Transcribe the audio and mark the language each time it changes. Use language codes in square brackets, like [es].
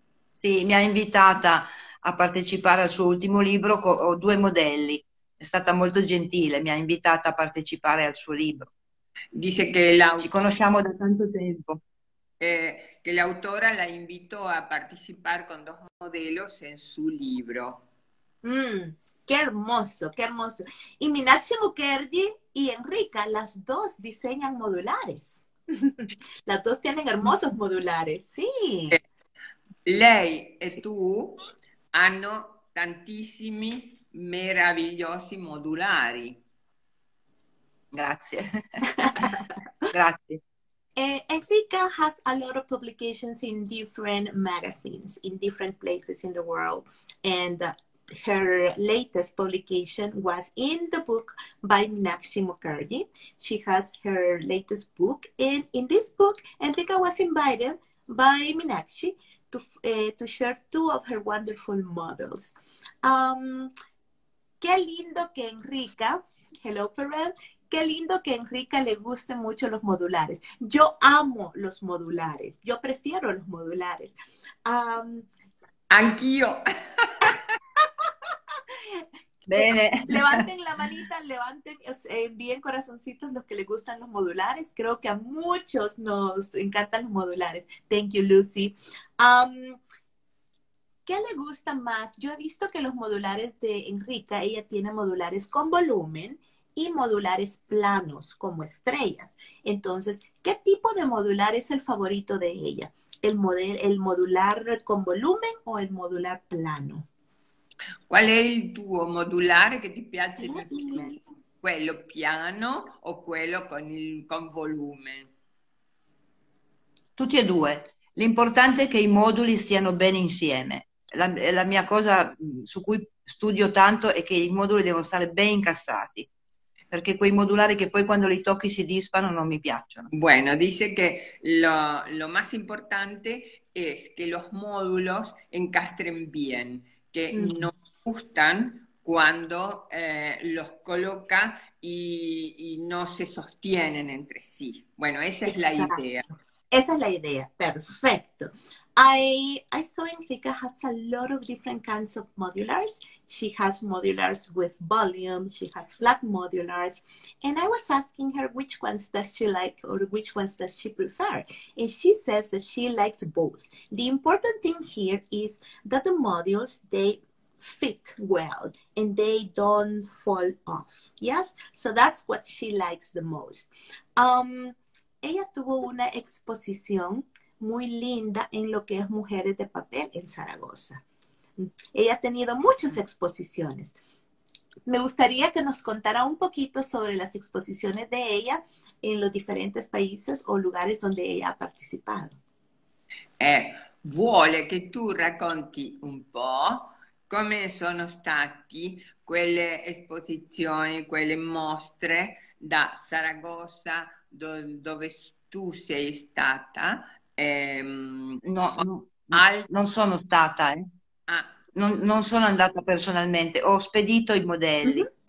[it] Sì, mi ha invitata a partecipare al suo ultimo libro con due modelli. È stata molto gentile, mi ha invitata a partecipare al suo libro. Dice che Ci conosciamo da tanto tempo. l'autora la invitò a partecipare [es] con dos modelos en su libro. Qué hermoso, qué hermoso. Y Minakxi Mukherjee y Enrica, las dos diseñan modulares. Las dos tienen hermosos modulares, sí. [it] Lei e tu hanno tantissimi meravigliosi modulari. Grazie. Grazie. [en] Enrica has a lot of publications in different magazines, in different places in the world. And her latest publication was in the book by Minakxi Mukherjee. She has her latest book. And in this book, Enrica was invited by Minakxi to share two of her wonderful models. [es] Qué lindo que Enrica, hello, Ferrell. Qué lindo que a Enrica le gusten mucho los modulares. Yo amo los modulares. Yo prefiero los modulares. [it] Anch'io. [es] Levanten la [it] Bene. [es] manita, levanten, bien corazoncitos los que le gustan los modulares. Creo que a muchos nos encantan los modulares. [en] Thank you, Lucy. [es] ¿Qué le gusta más? Yo he visto que los modulares de Enrica, ella tiene modulares con volumen y modulares planos como estrellas. Entonces, ¿qué tipo de modular es el favorito de ella? ¿El modular con volumen o el modular plano? [it] Qual è il tuo modulare che ti piace di più? Quello piano o quello con volume? Tutti e due. L'importante è che i moduli stiano bene insieme. La mia cosa su cui studio tanto è che i moduli devono stare ben incastrati, perché quei modulari che poi quando li tocchi si disfano non mi piacciono. [es] Bueno, dice que lo más importante es que los módulos encastren bien, que no gustan cuando los coloca y no se sostienen entre sí. Bueno, esa es la idea. Exacto. Esa es la idea. Perfecto. [en] I saw Enrica has a lot of different kinds of modulars. She has modulars with volume. She has flat modulars. And I was asking her which ones does she like or which ones does she prefer. And she says that she likes both. The important thing here is that the modules, they fit well and they don't fall off. Yes? So that's what she likes the most. [es] Ella tuvo una exposición muy linda en lo que es Mujeres de Papel en Zaragoza. Ella ha tenido muchas exposiciones. Me gustaría que nos contara un poquito sobre las exposiciones de ella en los diferentes países o lugares donde ella ha participado. [it] Vuole che tu racconti un po' come sono stati quelle esposizioni, quelle mostre da Saragossa, dove tu sei stata. No, no, non sono stata, non sono andata personalmente, ho spedito i modelli.